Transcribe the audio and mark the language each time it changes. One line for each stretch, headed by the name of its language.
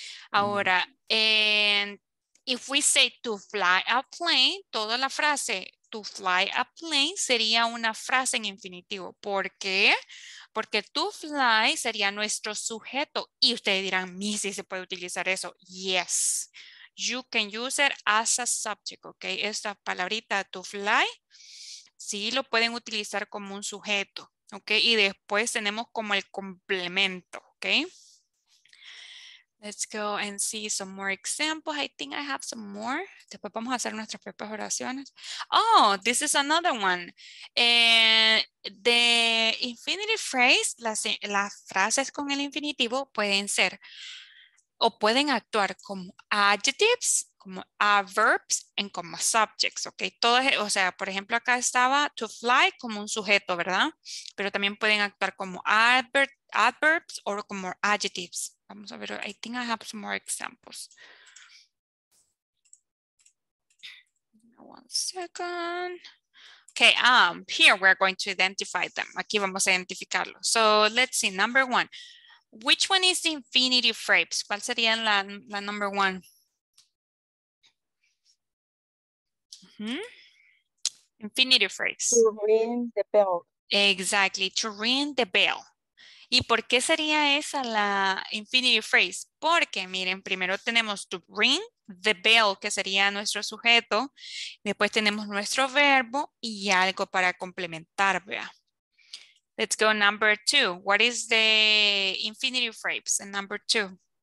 Spanish: Ahora,
English: and if we say to fly a plane,
Spanish: toda la frase to fly a plane sería una frase en infinitivo. ¿Por qué? Porque to fly sería nuestro sujeto. Y ustedes dirán, Missy, ¿se puede utilizar eso?
English: Yes. You can use it as a subject, okay?
Spanish: Esta palabrita to fly, sí lo pueden utilizar como un sujeto, okay? Y después tenemos como el complemento, okay?
English: Let's go and see some more examples. I think I have some more.
Spanish: Después vamos a hacer nuestras propias oraciones.
English: Oh, this is another one. The infinitive phrase,
Spanish: las frases con el infinitivo pueden ser o pueden actuar como adjectives, como adverbs, y como subjects, ¿ok? Todos, o sea, por ejemplo, acá estaba to fly como un sujeto, ¿verdad? Pero también pueden actuar como adverbs o como adjectives. Vamos a ver,
English: I think I have some more examples. One second. Okay, here we're going to identify them.
Spanish: Aquí vamos a identificarlo.
English: So let's see, number one. Which one is the infinitive phrase?
Spanish: ¿Cuál sería la
English: number one? Infinitive phrase. To ring the bell. Exactly, to ring the bell.
Spanish: ¿Y por qué sería esa la infinity phrase? Porque, miren, primero tenemos to ring the bell, que sería nuestro sujeto. Después tenemos nuestro verbo y algo para complementar, vea.
English: Let's go number two. What is the infinity phrase in number two?